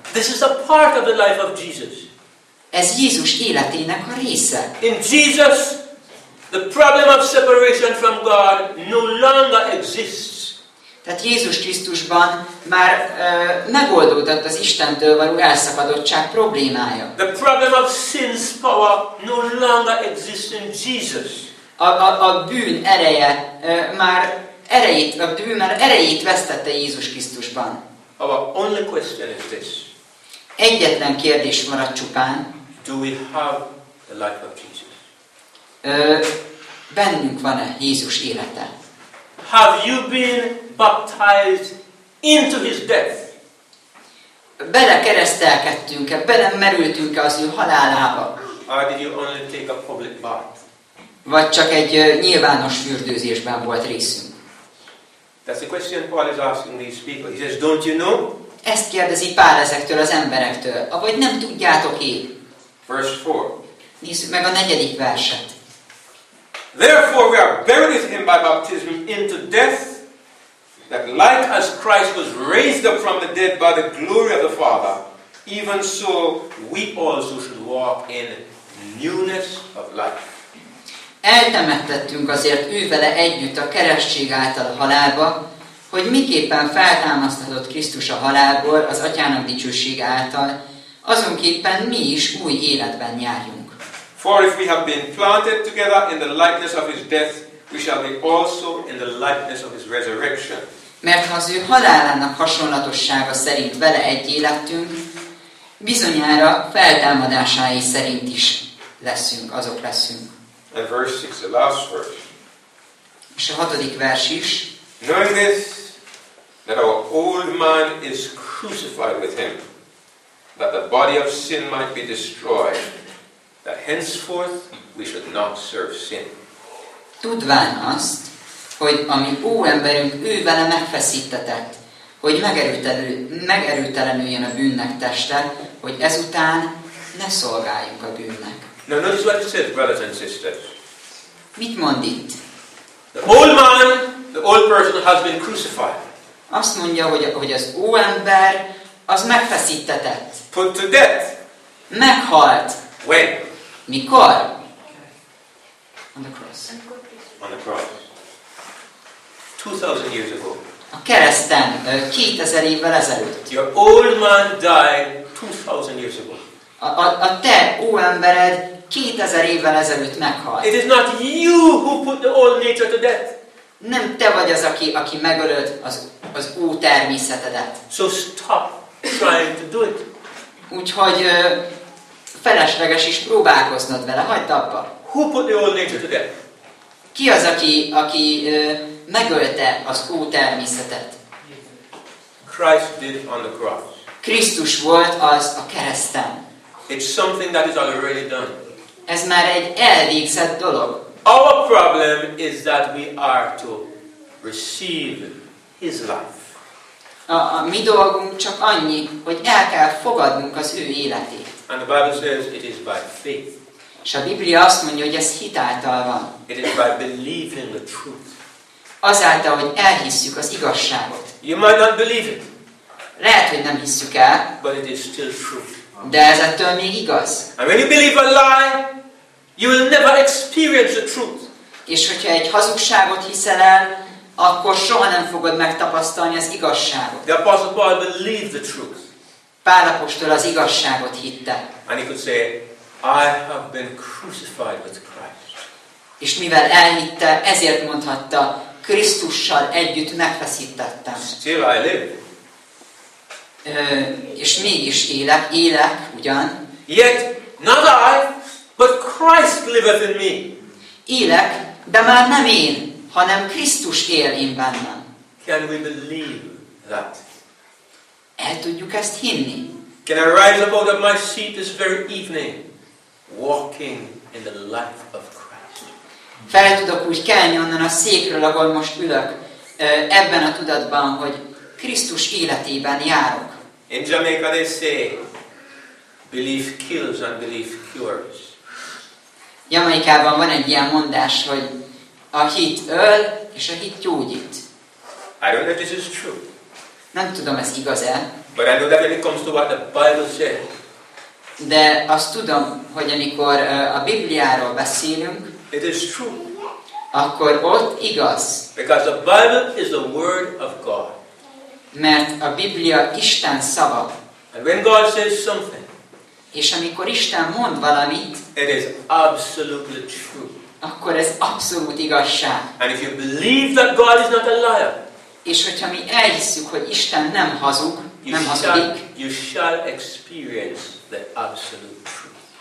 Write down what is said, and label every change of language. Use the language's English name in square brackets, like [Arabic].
[English] This is a part of the life of Jesus. [Hungarian] Ez Jézus életének a része. [English] In Jesus, the problem of separation from God no longer exists. [Hungarian] Tehát Jézus Krisztusban már megoldódott az Istentől való elszakadottság problémája. [English] The problem of sin's power no longer exists in Jesus. [Hungarian] A bűn ereje már erejét, a bűn már erejét vesztette Jézus Krisztusban. [English] Our only question is this. [Hungarian] Egyetlen kérdés maradt csupán. [English] Do we have the life of Jesus? [Hungarian] Bennünk van-e Jézus élete? [English] Have you been baptized into his death? [Hungarian] Bele keresztelkedtünk-e, bele merültünk-e az ő halálába? [English] Or did you only take a public bath? [Hungarian] Vagy csak egy nyilvános fürdőzésben volt részünk? [English] That's the question Paul is asking these people. He says, don't you know? [Hungarian] Ezt kérdezi Pál ezektől az emberektől. Avagy nem tudjátok én. [English] Verse 4. [Hungarian] Nézzük meg a negyedik verset. [English] Therefore we are buried with him by baptism into death, that like as Christ was raised up from the dead by the glory of the Father, even so we also should walk in newness of life. [Hungarian] Eltemettettünk azért ő vele együtt a keresztség által halálba, hogy miképpen feltámasztatott Krisztus a halálból az atyának dicsőség által, azonképpen mi is új életben járjunk. [English] For if we have been planted together in the likeness of his death, we shall be also in the likeness of his resurrection. [Hungarian] Mert ha az ő halálának hasonlatossága szerint vele egy életünk, bizonyára feltámadásai szerint is leszünk, azok leszünk. [English] And verse 6, the last verse. [Hungarian] És a hatodik vers is. [English] Knowing this, that our old man is crucified with him, that the body of sin might be destroyed, that henceforth we should not serve sin. [Hungarian] Tudván azt, hogy a mi ó emberünk ő vele megfeszítetett, hogy megerőtelenüljön a bűnnek teste, hogy ezután ne szolgáljuk a bűnnek. [English] Now notice what it says, brothers and sisters. [Hungarian] Mit mond itt? [English] The old man, the old person has been crucified. [Hungarian] Azt mondja, hogy az ó ember az megfeszítetett. [English] Put to death. [Hungarian] Meghalt. [English] When? [Hungarian] Mikor? [English] On the cross. On the cross. 2000 years ago. [Hungarian] A kereszten, 2000 évvel ezelőtt. [English] Your old man died 2000 years ago. [Hungarian] A te ó embered 2000 évvel ezelőtt meghalt. [English] It is not you who put the old nature to death. [Hungarian] Nem te vagy az, aki megölöd az ó természetedet. [English] So stop trying to do it. [Hungarian] Úgyhogy felesleges is próbálkoznod vele, hagyd abba. [English] Who put the old nature to death? [Hungarian] Ki az, aki megölte az ó természetet? [English] Christ did on the cross. [Hungarian] Krisztus volt az a kereszten. [English] It's something that is already done. [Hungarian] Ez már egy elvégzett dolog. [English] Our problem is that we are to receive his life. [Hungarian] A mi dolgunk csak annyi, hogy el kell fogadnunk az ő életét. [English] And the Bible says it is by faith. [Hungarian] És a Biblia azt mondja, hogy ez hitáltal van. [English] It is by believing the truth. [Hungarian] Azáltal, hogy elhisszük az igazságot. [English] You might not believe it. [Hungarian] Lehet, hogy nem hisszük el. [English] But it is still true. [Hungarian] De ez ettől még igaz. [English] And when you believe a lie, you will never experience the truth. [Hungarian] És hogyha egy hazugságot hiszel el, akkor soha nem fogod megtapasztalni az igazságot. [English] The apostle Paul believed the truth. [Hungarian] Pál apostol az igazságot hitte. [English] And he could say, I have been crucified with Christ. [Hungarian] És mivel elhitte, ezért mondhatta, Krisztussal együtt megfeszítettem. [English] Still I live. [Hungarian] És mégis élek ugyan. [English] Yet not I, but Christ liveth in me. [Hungarian] Élek, de már nem én, hanem Krisztus él én bennem. [English] Can we believe that? [Hungarian] El tudjuk ezt hinni? [English] Can I rise up out of my seat this very evening, walking in the light of Christ? [Hungarian] Fel tudok úgy kelni onnan a székről, ahol most ülök, ebben a tudatban, hogy Krisztus életében járok. [English] In Jamaica they say, belief kills and belief cures. [Hungarian] Jamaikában van egy ilyen mondás, hogy a hit öl és a hit gyógyít. [English] I don't know if this is true. [Hungarian] Nem tudom, ez igaz-e. [English] But I know that when it comes to what the Bible says. [Hungarian] De azt tudom, hogy amikor a Bibliáról beszélünk, [English] it is true. [Hungarian] Akkor ott igaz. [English] Because the Bible is the word of God. [Hungarian] Mert a Biblia Isten szava. [English] And when God says something, [Hungarian] és amikor Isten mond valamit, [English] it is absolutely true. [Hungarian] Akkor ez abszolút igazság. [English] And if you believe that God is not a liar, [Hungarian] és hogyha mi elhisszük, hogy Isten nem hazug, nem hazudik, [English] you shall experience the absolute truth.